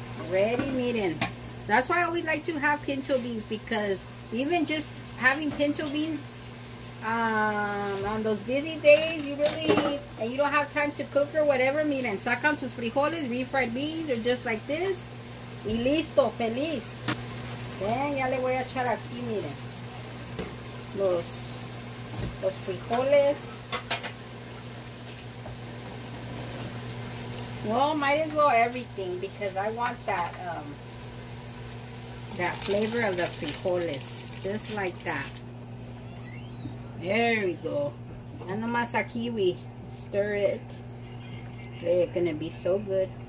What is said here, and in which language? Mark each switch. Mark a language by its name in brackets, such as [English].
[English] Ready, meeting. That's why I always like to have pinto beans, because even just having pinto beans on those busy days, and you don't have time to cook or whatever, [Spanish] miren, sacan sus frijoles, [English] refried beans, or just like this, [Spanish] y listo, feliz. Bien, ya le voy a echar aquí, miren, los frijoles. [English] Well, might as well everything, because I want that flavor of the frijoles. Just like that. There we go. [Spanish] Ya nomás aquí [English] we stir it. They're gonna be so good.